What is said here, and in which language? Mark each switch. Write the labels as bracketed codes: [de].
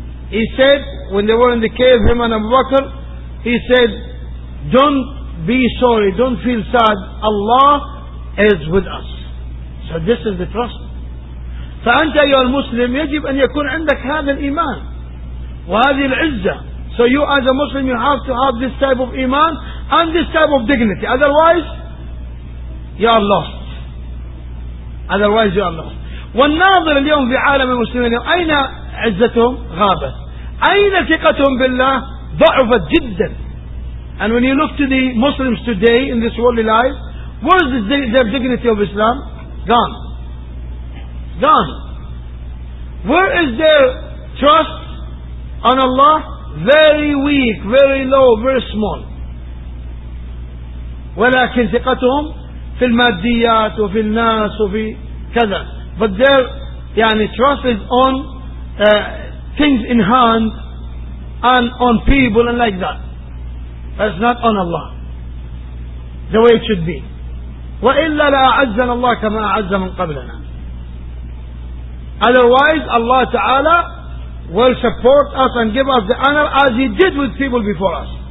[en] He said, when they were in the cave, him and Abu Bakr, he said, don't be sorry, don't feel sad, Allah is with us. So this is the trust. [ar] فأنت يا المسلم يجب أن يكون عندك هذا الإيمان وهذه العزة. [en] So you as a Muslim, you have to have this type of iman and this type of dignity. Otherwise, you are lost. Otherwise you are lost. [ar] والناظر اليوم في عالم المسلمين أين عزتهم؟ غابت. أين ثقتهم بالله؟ ضعفت جدا. [en] And when you look to the Muslims today in this worldly life, where is their dignity of Islam? Gone. Gone. Where is their trust on Allah? Very weak, very low, very small. [ar] ولكن ثقتهم في الماديات وفي الناس وفي كذا. [en] But their يعني trust is on things in hand and on people and like that. That's not on Allah the way it should be. [ar] وإلا لأعزنا الله كما أعز من قبلنا. [en] Otherwise Allah Ta'ala will support us and give us the honor as He did with people before us.